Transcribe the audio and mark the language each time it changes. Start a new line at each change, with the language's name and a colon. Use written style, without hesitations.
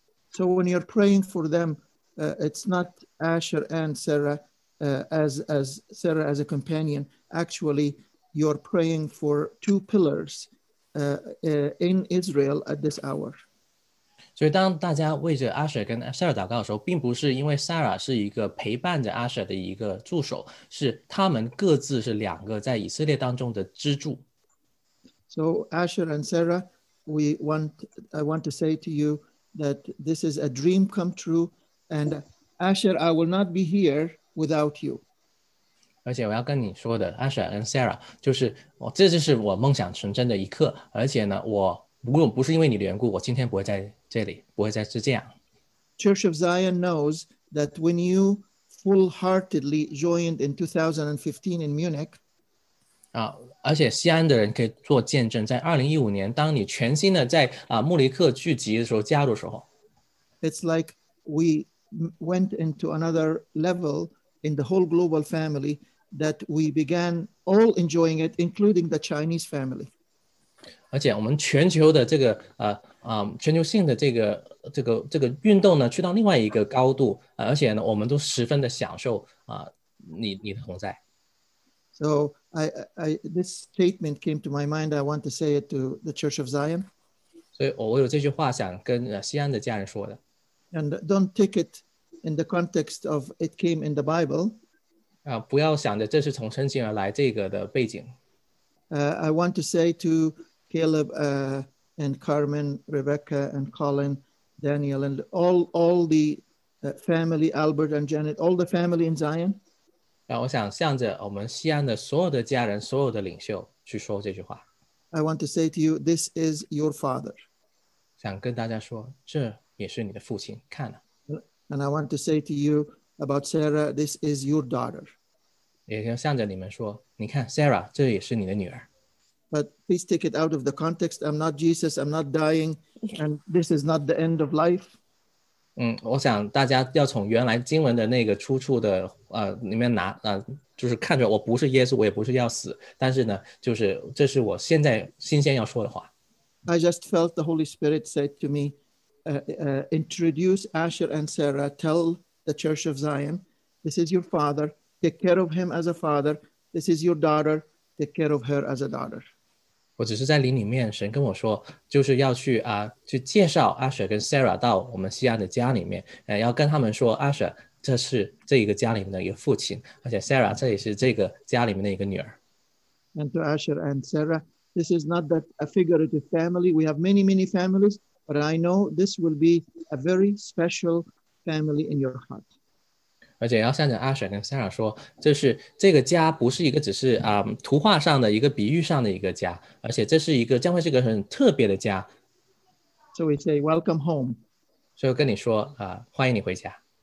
English: So when you're praying for them, it's not Asher and Sarah as Sarah as a companion. Actually, you're praying for two pillars in Israel at this hour.
Chinese: 所以当大家为着 Asher 跟 Sarah 祷告的时候，并不是因为 Sarah 是一个陪伴着 Asher 的一个助手，是他们各自是两个在以色列当中的支柱。
English: So Asher and Sarah, I want to say to you that this is a dream come true, and Asher, I will not be here without you.
Chinese: 而且我要跟你说的 Asher and Sarah, 就是我，这就是我梦想成真的一刻，而且呢，我如果不是因为你的缘故，我今天不会在这里，不会再是这样。
English: Church of Zion knows that when you full-heartedly joined in 2015 in Munich,
Chinese: 而且西安的人可以做见证，在2015年，当你全新的在慕尼克聚集的时候，加入的时候，
English: It's like we went into another level in the whole global family that we began all enjoying it, including the Chinese family.
Chinese: 而且我们全球的这个全球性的这个运动呢，去到另外一个高度，而且呢，我们都十分的享受你的同在。
English: So I this statement came to my mind. I want to say it to the Church of Zion.
Chinese: 所以我有这句话想跟西安的家人说的。
English: And don't take it in the context of it came in the Bible.
Chinese: 不要想着这是从圣经而来这个的背景。
English: I want to say to Caleb. And Carmen, Rebecca, and Colin, Daniel, and all the family, Albert and Janet, all the family in Zion.
Chinese: 我想向着我们西安的所有的家人，所有的领袖去说这句话。
English: I want to say to you, this is your father.
Chinese: 想跟大家说，这也是你的父亲，看啊。
English: And I want to say to you about Sarah, this is your daughter.
Chinese: 也向着你们说，你看 Sarah, 这也是你的女儿。
English: But please take it out of the context. I'm not Jesus. I'm not dying. And this is not the end of life.
Chinese: 我想大家要从原来经文的那个出处的里面拿就是看着我不是耶稣，我也不是要死，但是呢，就是这是我现在新鲜要说的话。
English: I just felt the Holy Spirit said to me, introduce Asher and Sarah, tell the Church of Zion, this is your father, take care of him as a father, this is your daughter,take care of her as a daughter.
Chinese: 我只是在灵里面，神跟我说，就是要去介绍 Asher 跟 Sarah 到我们西安的家里面，要跟他们说 Asher 这是这一个家里面的一个父亲，而且 Sarah 这也是这个家里面的一个女儿。
English: And to Asher and Sarah, this is not that a figurative family. We have many, many families, but I know this will be a very special family in your heart.
Chinese: 而且要向着阿舍跟 Sarah 说，这是这个家不是一个只是图画上的一个比喻上的一个家，而且这是一个将会是一个很特别的家。
English: So we say welcome home.
Chinese: 所以跟你说欢迎你回家。